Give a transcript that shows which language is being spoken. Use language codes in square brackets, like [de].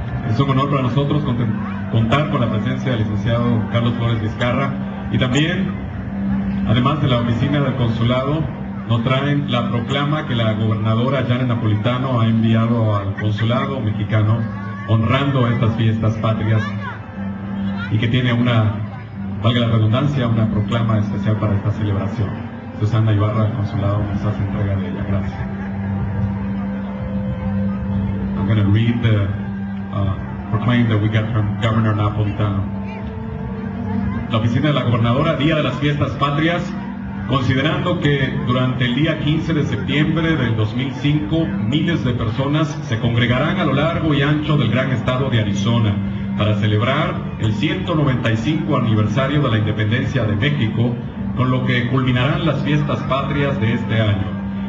[es] Es un honor para nosotros contar con la presencia del licenciado Carlos Flores Vizcarra y también, además de la oficina del consulado, nos traen la proclama que la gobernadora Janet Napolitano ha enviado al consulado mexicano honrando estas fiestas patrias y que tiene una, valga la redundancia, una proclama especial para esta celebración. Susana Ibarra del consulado nos hace entrega de ella. Gracias. [en] I'm going to read the proclaim that we got from Governor Napolitano. [es] La oficina de la gobernadora, Día de las Fiestas Patrias, considerando que durante el día 15 de septiembre del 2005, miles de personas se congregarán a lo largo y ancho del gran estado de Arizona para celebrar el 195 aniversario de la independencia de México, con lo que culminarán las Fiestas Patrias de este año.